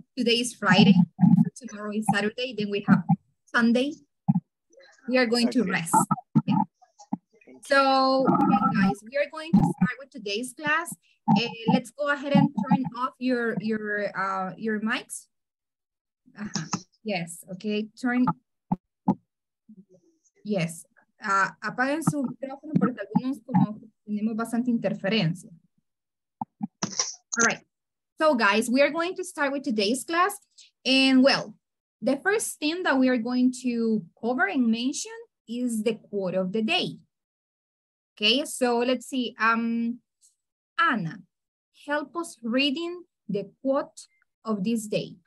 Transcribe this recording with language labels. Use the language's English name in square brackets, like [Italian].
[English] Today is Friday, tomorrow is Saturday, then we have Sunday. We are going to rest. Okay. So guys, we are going to start with today's class. Let's go ahead and turn off your mics. Yes, okay, turn. [Spanish] Yes, apaguen su micrófono porque algunos como tenemos bastante interferencia. [English] All right. So guys, we are going to start with today's class. And well, the first thing that we are going to cover and mention is the quote of the day. Okay, so let's see. Anna, help us reading the quote of this day.